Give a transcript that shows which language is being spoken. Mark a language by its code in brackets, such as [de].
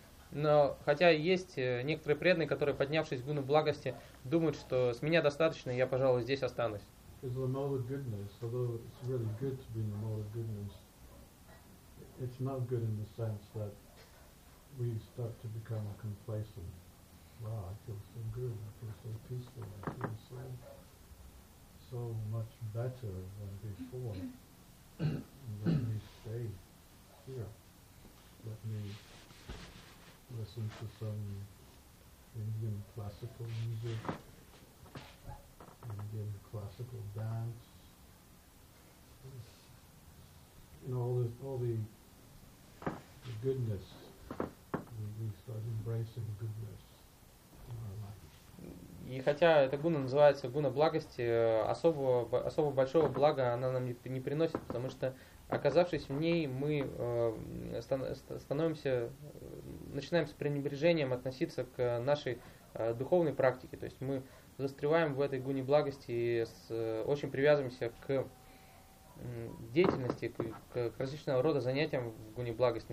[ru] Но хотя есть некоторые преданные, которые, поднявшись в гуну благости, думают, что с меня достаточно, я, пожалуй, здесь останусь. [en] Is the mode of goodness, although it's really good to be in the mode of goodness, it's not good in the sense that we start to become a complacent. Wow, I feel so good, I feel so peaceful, I feel so much better than before. Let me stay here. Let me listen to some Indian classical music. Indian classical dance, you know, all the goodness, we start embracing goodness in our life. [ru] И хотя эта гуна называется гуна благости, особо большого блага она нам не приносит, потому что, оказавшись в ней, мы начинаем с пренебрежением относиться к нашей духовной практике, то есть мы застреваем в этой гуне благости и очень привязываемся к деятельности, к различного рода занятиям в гуне благости.